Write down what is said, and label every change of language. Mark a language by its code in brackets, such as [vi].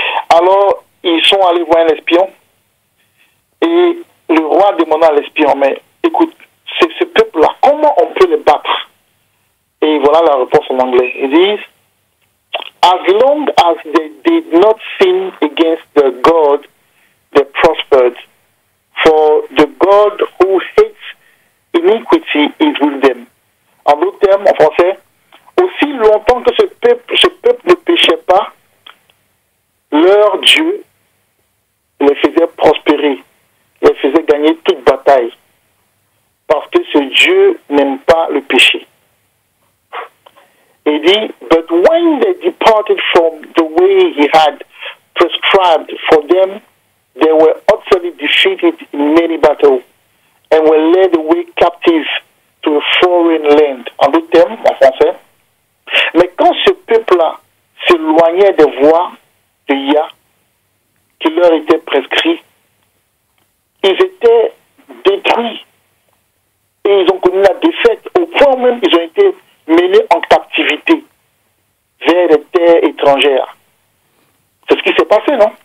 [fr] Alors, ils sont allés voir un espion. Et le roi demanda à l'espion, mais écoute, c'est ce peuple-là, comment on peut le battre? Et voilà la réponse en anglais. Ils disent, [en] as long as they did not sin against the God, they prospered. For the God who hates iniquity is with them. [fr] En d'autres termes, en français, aussi longtemps que ce peuple ne péchait pas, leur Dieu les faisait prospérer. Elle faisait gagner toute bataille. Parce que ce Dieu n'aime pas le péché. Il dit, [en] but when they departed from the way he had prescribed for them, they were utterly defeated in many battles and were led away captive to a foreign land. [fr] En d'autres termes, en français. Mais quand ce peuple-là s'éloignait des voies de Yah qui leur étaient prescrites, ils étaient détruits et ils ont connu la défaite au point où même ils ont été menés en captivité vers les terres étrangères. C'est ce qui s'est passé, non?